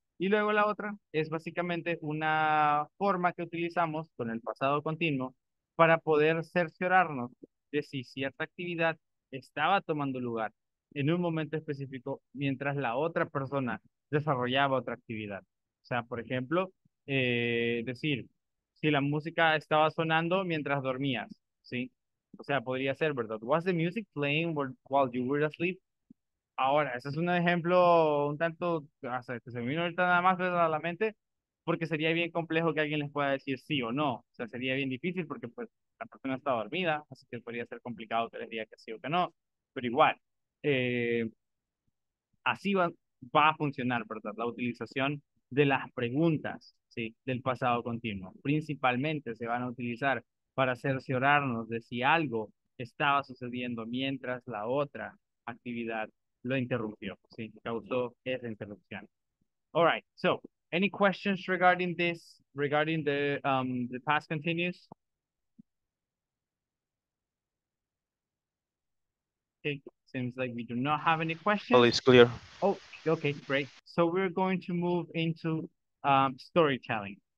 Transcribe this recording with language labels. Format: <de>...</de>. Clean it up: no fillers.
<es>Y luego la otra es básicamente una forma que utilizamos con el pasado continuo para poder cerciorarnos de si cierta actividad estaba tomando lugar en un momento específico mientras la otra persona desarrollaba otra actividad. O sea, por ejemplo, decir, si la música estaba sonando mientras dormías, ¿sí? O sea, podría ser, ¿verdad?</es> <en>Was the music playing while you were asleep?</en> <es>Ahora, ese es un ejemplo un tanto, o sea, que se me vino ahorita nada más a la mente, porque sería bien complejo que alguien les pueda decir sí o no. O sea, sería bien difícil porque pues la persona está dormida, así que podría ser complicado que les diga que sí o que no. Pero igual, así va a funcionar, ¿verdad? La utilización de las preguntas, ¿sí? Del pasado continuo. Principalmente se van a utilizar para cerciorarnos de si algo estaba sucediendo mientras la otra actividad lo interrumpió, ¿sí? Causó esa interrupción.</es> <en>All right, so, any questions regarding this, regarding the past continuous? Okay, seems like we do not have any questions. All is clear. Oh, okay, great. So we're going to move into storytelling.</en>